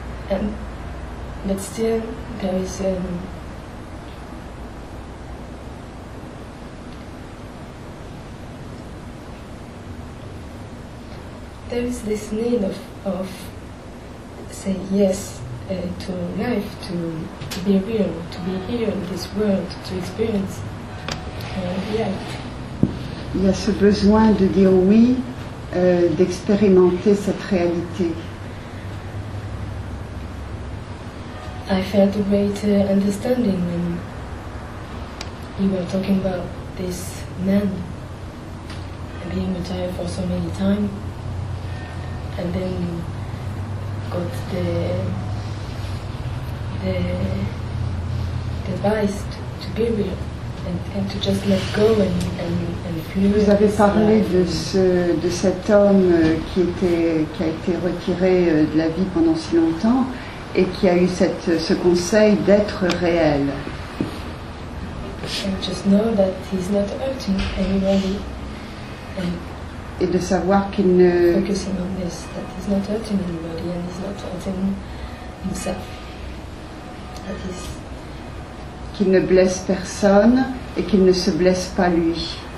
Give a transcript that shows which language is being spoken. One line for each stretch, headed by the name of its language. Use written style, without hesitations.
English: And, but still, there is this need of say yes to life, to be real, to be here in this world, to experience reality.
French: Il y a ce besoin de dire oui, d'expérimenter cette réalité.
English: I felt a great understanding when you were talking about this man being retired for so many time, and then got the advice to be real. And to just let go and
French: vous avez parlé de cet homme qui a été retiré de la vie pendant si longtemps et qui a eu ce conseil d'être réel.
English: And just know that he's not hurting anybody.
French: Et de savoir qu'il ne
English: focusing on this, that he's not hurting anybody and he's not hurting himself. That is.
French: Qu'il ne blesse personne et qu'il ne se blesse pas lui.